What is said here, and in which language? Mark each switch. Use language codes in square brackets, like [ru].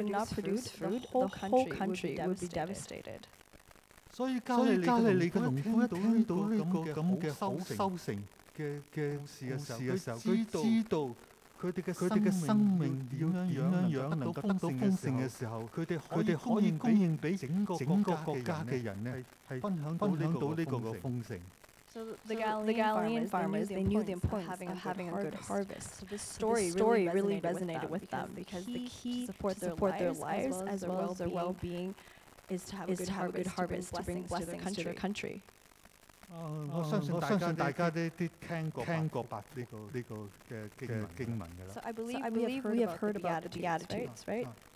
[en] So in this story, for us, we might not be able to resonate it as easily in our heart. Did you know Galilee was the main food supplier for the whole country? If Galilee could not produce food, the whole country would be devastated. [zh] 所以加利利的農夫都看到這個很收成的故事的時候，他知道他們的生命怎樣能夠得到豐盛的時候，他們可以供應給整個國家的人分享到這個豐盛。 [en] So the Galilean farmers, they knew the importance of having a good harvest. So this story really resonated with them because the key to support their lives as well as their well-being is to have a good harvest, to bring blessings to their country. [zh] 我相信大家都聽過這個經文。 [en] So I believe we have heard about the Beatitudes, right?